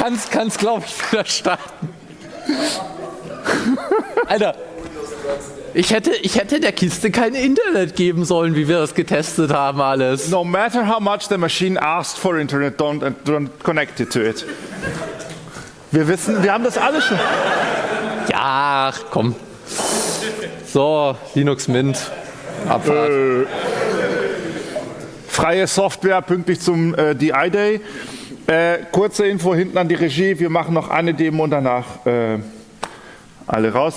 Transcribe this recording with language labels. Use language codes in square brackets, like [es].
[de] Kann's glaube ich wieder starten. Alter, ich hätte der Kiste kein Internet geben sollen, wie wir das getestet haben alles. [en] No matter how much the machine asked for Internet, don't connect it to it. [de] Wir haben das alle schon. Ja, komm. So, Linux Mint, Abfahrt. Freie Software pünktlich zum DI-Day. Kurze Info hinten an die Regie, wir machen noch eine Demo und danach alle raus.